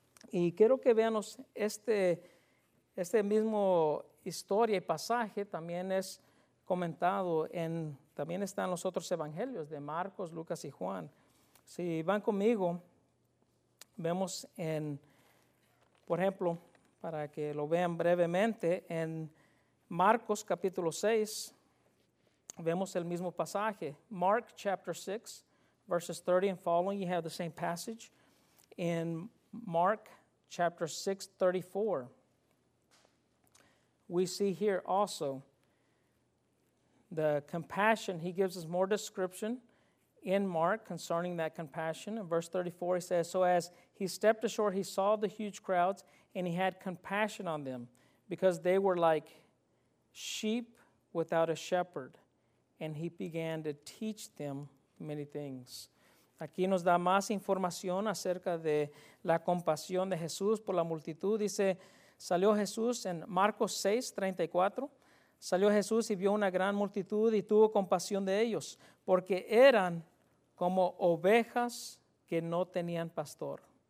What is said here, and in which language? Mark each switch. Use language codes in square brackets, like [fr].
[es] Y quiero que vean este mismo historia y pasaje también es comentado en, también están los otros evangelios de Marcos, Lucas y Juan. Si van conmigo, vemos en, por ejemplo, para que lo vean brevemente, en Marcos capítulo 6, vemos el mismo pasaje. [en] Mark chapter 6, verses 30 and following, you have the same passage. In Mark chapter 6, 34, we see here also the compassion. He gives us more description in Mark concerning that compassion. In verse 34, he says, so as he stepped ashore, he saw the huge crowds and he had compassion on them because they were like sheep without a shepherd. And he began to teach them many things. [es] Aquí nos da más información acerca de la compasión de Jesús por la multitud. Dice, salió Jesús en Marcos 6, 34. Salió Jesús y vio una gran multitud y tuvo compasión de ellos, porque eran como ovejas que no tenían pastor.